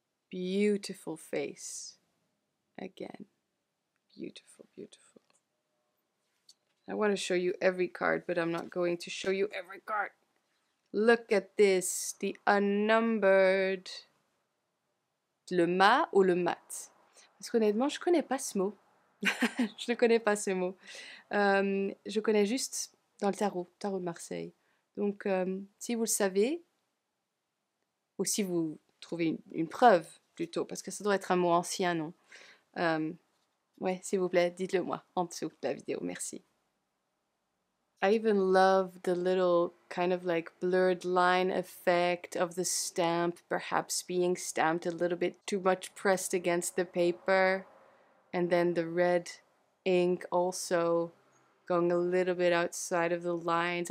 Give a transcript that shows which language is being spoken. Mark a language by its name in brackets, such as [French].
[English] Beautiful face. Again. Beautiful, beautiful. I want to show you every card, but I'm not going to show you every card. Look at this, the unnumbered. [French] Le mât ou le mat? Parce qu'honnêtement, je ne connais pas ce mot. Je ne connais pas ce mot. Je connais juste dans le tarot, tarot de Marseille. Donc, si vous le savez, ou si vous trouvez une preuve plutôt, parce que ça doit être un mot ancien, non? Ouais, s'il vous plaît, dites-le moi en dessous de la vidéo, merci. [English] I even love the little kind of like blurred line effect of the stamp perhaps being stamped a little bit too much pressed against the paper, and then the red ink also going a little bit outside of the lines.